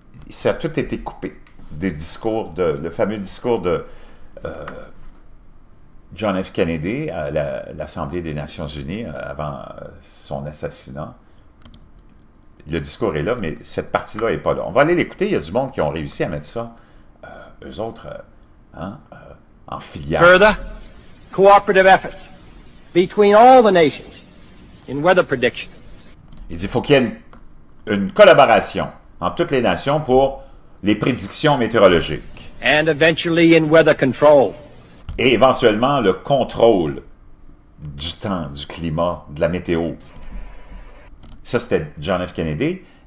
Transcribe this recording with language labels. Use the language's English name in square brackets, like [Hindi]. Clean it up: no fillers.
[French] Ça a tout été coupé des discours, le fameux discours de John F. Kennedy à l'Assemblée des Nations Unies avant son assassinat. Le discours est là, mais cette partie-là n'est pas là. On va aller l'écouter. Il y a du monde qui ont réussi à mettre ça, eux autres, en filière. [English] Further cooperative efforts between all the nations in weather prediction. [French] Il dit qu'il faut qu'il y ait une collaboration entre toutes les nations pour les prédictions météorologiques. [English] And eventually in weather control. [French] Et éventuellement le contrôle du temps, du climat, de la météo. Ça, c'était John F. Kennedy.